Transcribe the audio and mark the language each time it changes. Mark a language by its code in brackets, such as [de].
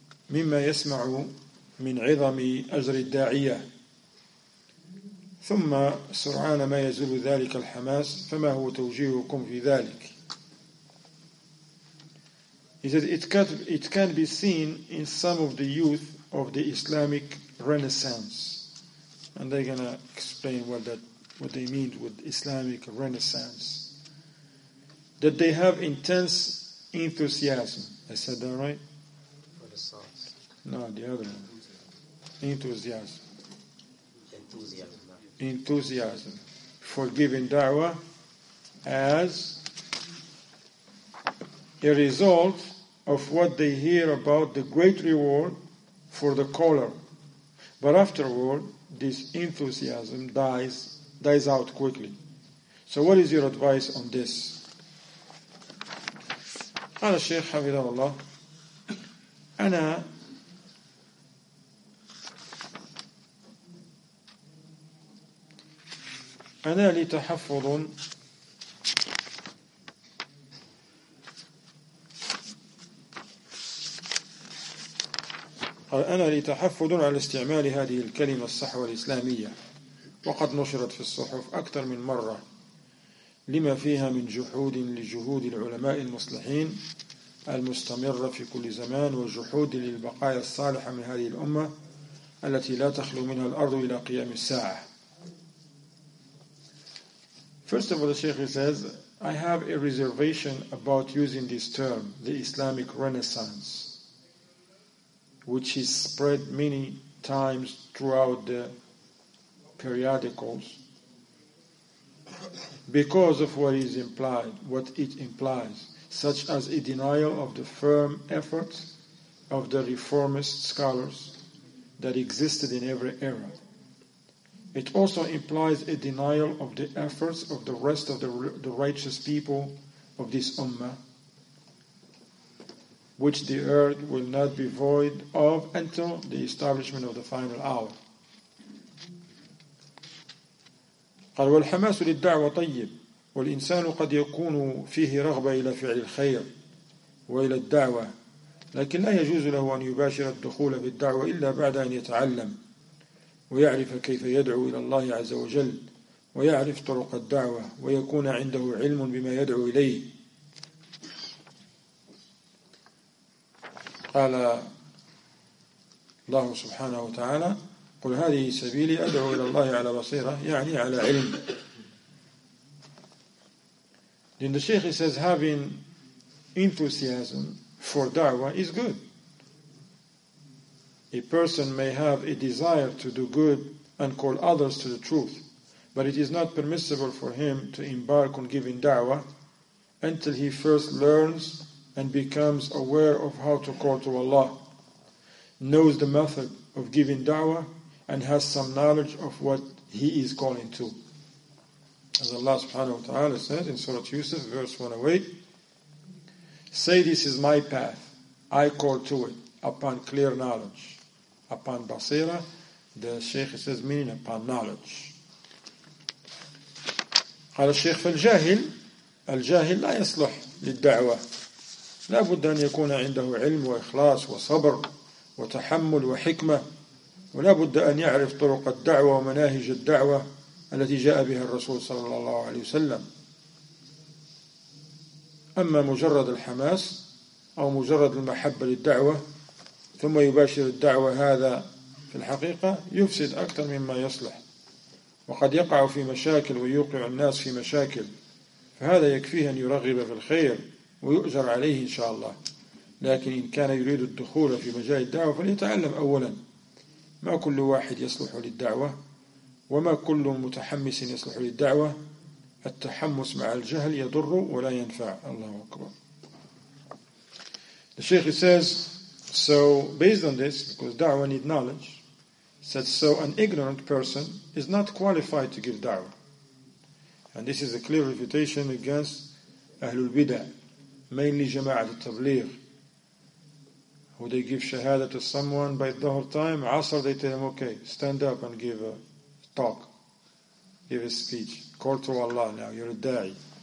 [ar] مما يسمع من عظم أجر الداعية، ثم سرعان ما يزول ذلك الحماس، فما هو توجيهكم في ذلك؟ [en] He said it can be seen in some of the youth of the Islamic Renaissance. And they're going to explain what they mean with Islamic Renaissance. That they have intense enthusiasm. I said that right? Renaissance. No, the other one. Enthusiasm. Enthusiasm. Enthusiasm. For giving da'wah as a result of what they hear about the great reward for the caller. But afterward, this enthusiasm dies out quickly. So what is your advice on this? [ar] قال الشيخ حفظه الله أنا أنا لي تحفظ أنا لي تحفظ على استعمال هذه الكلمة الصحوة الإسلامية، وقد نشرت في الصحف أكثر من مرة لما فيها من جحود لجهود العلماء المصلحين المستمرة في كل زمان، وجحود للبقايا الصالحة من هذه الأمة التي لا تخلو منها الأرض إلى قيام الساعة. [en] First of all, the Sheikh says, I have a reservation about using this term, the Islamic Renaissance, which is spread many times throughout the periodicals because of what is implied, what it implies, such as a denial of the firm efforts of the reformist scholars that existed in every era. It also implies a denial of the efforts of the rest of the righteous people of this ummah, which the earth will not be void of until the establishment of the final hour. [ar] قال والحماس للدعوة طيب والإنسان قد يكون فيه رغبة إلى فعل الخير وإلى الدعوة، لكن لا يجوز له أن يباشر الدخول بالدعوة إلا بعد أن يتعلم ويعرف كيف يدعو إلى الله عز وجل ويعرف طرق الدعوة ويكون عنده علم بما يدعو إليه. قال الله سبحانه وتعالى قل هذه سبيلي أدعو إلى الله على بصيرة، يعني على علم. [en] Then the Sheikh says having enthusiasm for da'wah is good. A person may have a desire to do good and call others to the truth, but it is not permissible for him to embark on giving da'wah until he first learns and becomes aware of how to call to Allah, knows the method of giving da'wah, and has some knowledge of what he is calling to. As Allah subhanahu wa ta'ala says in Surah Yusuf, verse 108, say this is my path, I call to it upon clear knowledge. Upon basira, the Shaykh says meaning upon knowledge. [ar] قال الشيخ فالجاهل الجاهل لا يصلح للدعوة، لا بد أن يكون عنده علم وإخلاص وصبر وتحمل وحكمة، ولا بد أن يعرف طرق الدعوة ومناهج الدعوة التي جاء بها الرسول صلى الله عليه وسلم. أما مجرد الحماس أو مجرد المحبة للدعوة ثم يباشر الدعوة، هذا في الحقيقة يفسد أكثر مما يصلح، وقد يقع في مشاكل ويوقع الناس في مشاكل، فهذا يكفيه أن يرغب في الخير ويؤجر عليه إن شاء الله. لكن إن كان يريد الدخول في مجال الدعوة فليتعلم أولا ما كل واحد يصلح للدعوة، وما كل متحمس يصلح للدعوة. التحمس مع الجهل يضر ولا ينفع. الله أكبر. [en] The Sheikh says, so based on this, because da'wa need knowledge, said, so an ignorant person is not qualified to give da'wa. And this is a clear refutation against Ahlul Bidah, mainly Jama'at al-Tabligh, who they give shahada to someone by dhuhr time, asr they tell him, okay, stand up and give a talk, give a speech, call to Allah now, you're a da'i.